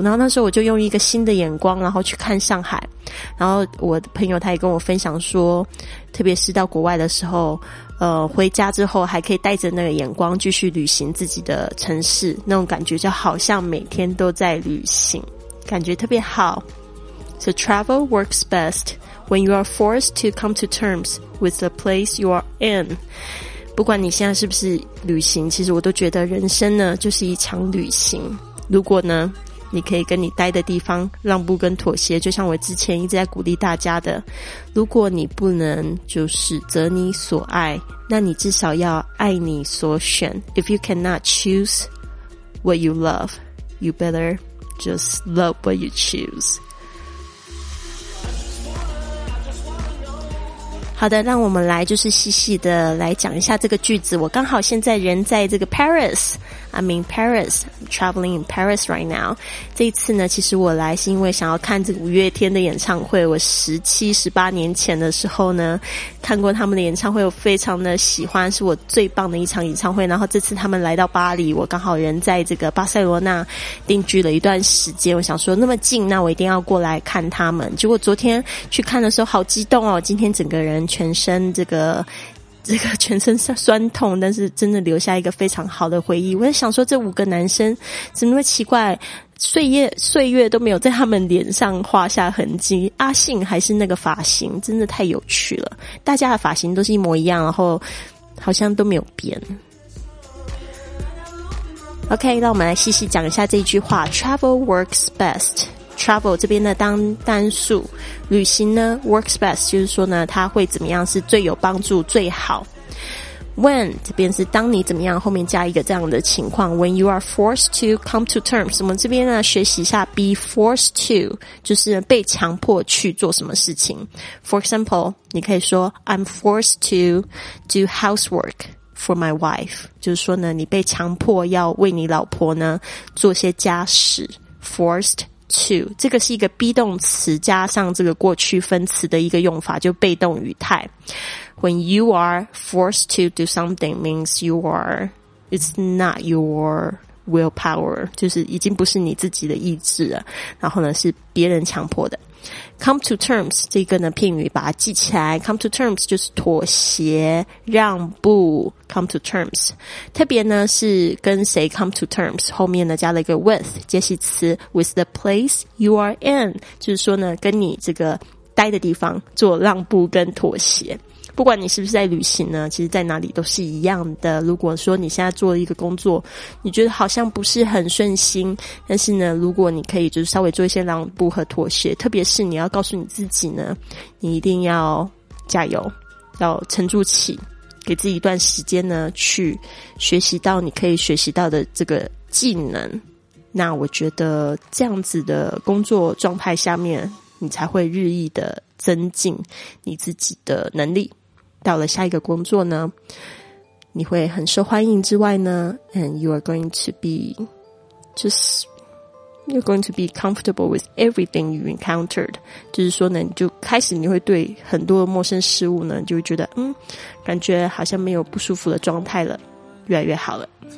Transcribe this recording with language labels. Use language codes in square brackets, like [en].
[zh] 然后那时候我就用一个新的眼光然后去看上海，然后我的朋友他也跟我分享说，特别是到国外的时候，回家之后还可以带着那个眼光继续旅行自己的城市，那种感觉就好像每天都在旅行，感觉特别好。 [en] So travel works best when you are forced to come to terms with the place you are in. [zh] 不管你现在是不是旅行，其实我都觉得人生呢就是一场旅行。如果呢你可以跟你待的地方让步跟妥协，就像我之前一直在鼓励大家的，如果你不能就是择你所爱，那你至少要爱你所选。 [en] If you cannot choose what you love, you better just love what you choose. [zh] 好的，让我们来就是细细的来讲一下这个句子。我刚好现在人在这个 [en] Paris, I'm traveling in Paris right now. [zh] 这一次呢，其实我来是因为想要看这个五月天的演唱会。我17、18年前的时候呢，看过他们的演唱会，我非常的喜欢，是我最棒的一场演唱会。然后这次他们来到巴黎，我刚好人在这个巴塞罗那定居了一段时间，我想说那么近，那我一定要过来看他们。结果昨天去看的时候好激动哦，今天整个人全身这个全身酸痛，但是真的留下一个非常好的回忆。我在想说这五个男生怎么会奇怪，岁月都没有在他们脸上画下痕迹。阿信还是那个发型，真的太有趣了，大家的发型都是一模一样，然后好像都没有变。 OK， 那我们来细细讲一下这一句话。 [en] Travel works bestTravel [zh] 这边的当单数，旅行呢 [en] works best [zh] 就是说呢它会怎么样是最有帮助最好。 When 这边是当你怎么样，后面加一个这样的情况。 [en] When you are forced to come to terms， [zh] 我们这边呢学习一下 [en] be forced to， [zh] 就是被强迫去做什么事情。 [en] For example， [zh] 你可以说 [en] I'm forced to do housework for my wife， [zh] 就是说呢你被强迫要为你老婆呢做些家事。 forcedto， 这个是一个 be 动词加上这个过去分词的一个用法，就被动语态。 [en] When you are forced to do something means you are it's not your willpower， [zh] 就是已经不是你自己的意志了，然后呢是别人强迫的。 [en] come to terms [zh] 这个呢片语把它记起来， come to terms 就是妥协让步。 [en] come to terms [zh] 特别呢是跟谁 come to terms， 后面呢加了一个 with 介系词 [en] with the place you are in， [zh] 就是说呢跟你这个待的地方做让步跟妥协。不管你是不是在旅行呢，其实在哪里都是一样的。如果说你现在做了一个工作，你觉得好像不是很顺心，但是呢，如果你可以就是稍微做一些让步和妥协，特别是你要告诉你自己呢，你一定要加油，要撑住气，给自己一段时间呢，去学习到你可以学习到的这个技能。那我觉得这样子的工作状态下面，你才会日益的增进你自己的能力。到了下一个工作呢，你会很受欢迎之外呢， [en] and you are going to be you're going to be comfortable with everything you encountered. [zh] 就是说呢，你就开始你会对很多陌生事物呢，就会觉得嗯，感觉好像没有不舒服的状态了，越来越好了。